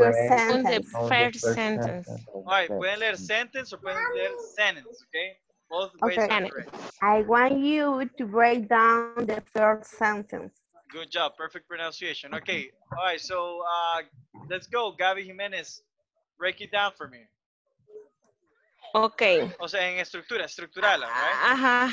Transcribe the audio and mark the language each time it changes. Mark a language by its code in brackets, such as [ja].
[en] I want you to break down the first sentence. All right, [es] pueden leer [en] sentence or pueden leer sentence, okay? Both ways are correct. I want you to break down the first sentence. Good job, perfect pronunciation. Okay, all right, so let's go, Gabby Jimenez. Break it down for me. Okay. [es] O sea, en estructura, estructural, right?